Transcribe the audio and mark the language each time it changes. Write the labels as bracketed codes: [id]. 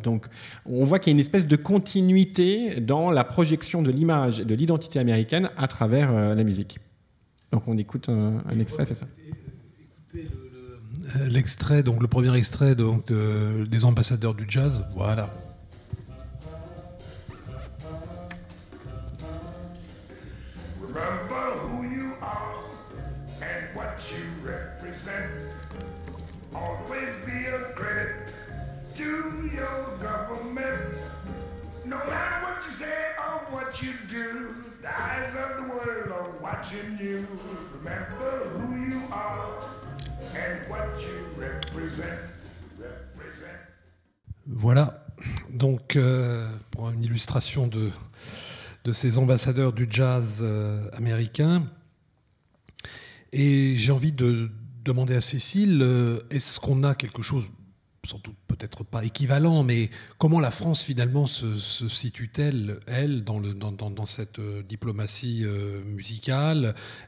[fr] Donc, on voit qu'il y a une espèce de continuité dans la projection de l'image, de l'identité américaine à travers la musique. Donc on écoute un extrait, c'est ça ? Écoutez l'extrait, donc le premier extrait donc, des ambassadeurs du jazz, voilà. [en] Remember who you are and what you represent. Always be a credit to your government. No matter what you say or what you do, the eyes of the world are watching you. Remember who you are and what you represent. Represent. [fr] Voilà, donc pour une illustration de ces ambassadeurs du jazz américain. Et j'ai envie de demander à Cécile, est-ce qu'on a quelque chose, sans doute peut-être pas équivalent, mais comment la France finalement se situe-t-elle, elle, dans cette diplomatie musicale ?